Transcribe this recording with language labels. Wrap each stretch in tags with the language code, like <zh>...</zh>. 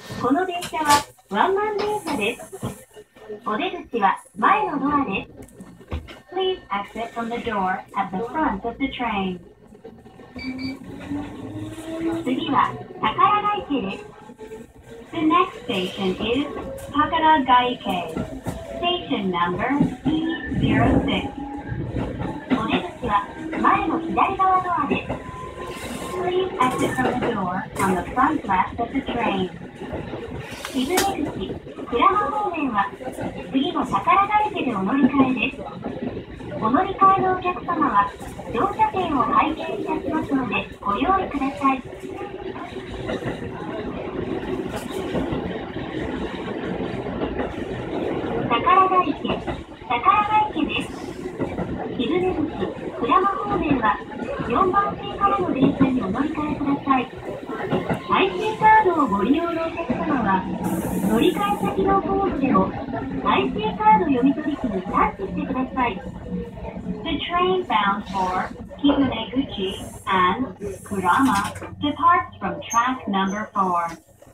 <ja>この電車はワンマン電車です。お出口は前のドアです。</ja> <en>Please exit from the door at the front of the train.</en> <ja>次は高山駅です。</ja> <en>The next station is 高田外駅。 Station number C06。</en> <ja>お出口は前の左側ドアです。</ja> <en>Please exit from the door on the front left of the train.</en> <ja>岐阜駅、鞍馬方面は次の高田外駅でお乗り換えです。お乗り換えのお客様は乗車券を拝見いたしますのでご用意ください。高田駅です。岐阜駅、鞍馬方面は4番線からの電車にお乗り換えください。 IC カードをご利用のお客様は乗り換え先のホームでも IC カード読み取り機にタッチしてください。</ja> <en>The train bound for Kibuneguchi and Kurama departs from track number 4.</en>